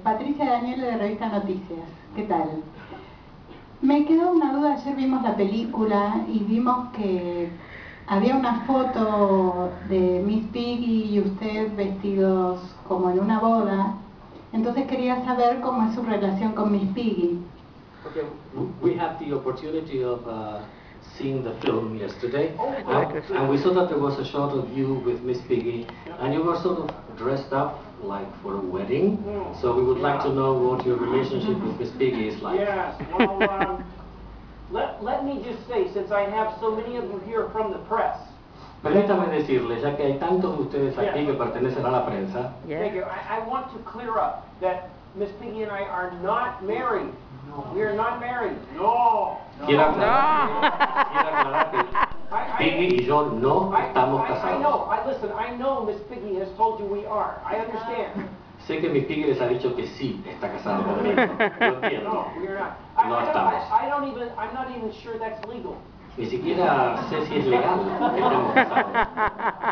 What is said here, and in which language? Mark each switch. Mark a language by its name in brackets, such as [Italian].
[Spanish] Patricia Daniel de Revista Noticias, ¿qué tal? Me quedó una duda, ayer vimos la película y vimos que había una foto de Miss Piggy y usted vestidos como en una boda. Entonces quería saber cómo es su relación con Miss Piggy. [English] Okay, we have the opportunity of seeing the film yesterday. And we saw that there was a shot of you with Miss Piggy and you were sort of dressed up like for a wedding, so we would like to know what your relationship with Miss Piggy is like. Yes, well, let me just say, since I have so many of you here from the press. [Spanish] Permítame decirle, ya que hay tantos de ustedes aquí que pertenecen a la prensa. [English] Yes. Thank you. I want to clear up that Miss Piggy and I are not married. No. We are not married. No. [Spanish] Quiero aclarar Piggy y yo no estamos casados. [English] I know Miss Piggy has told you we are. I understand. [Spanish] Sé que Miss Piggy les ha dicho que sí está casado conmigo. [English] No, we are not. [Spanish] No estamos. [English] I'm not even sure that's legal. [Spanish] Ni siquiera sé si es legal que estemos casados.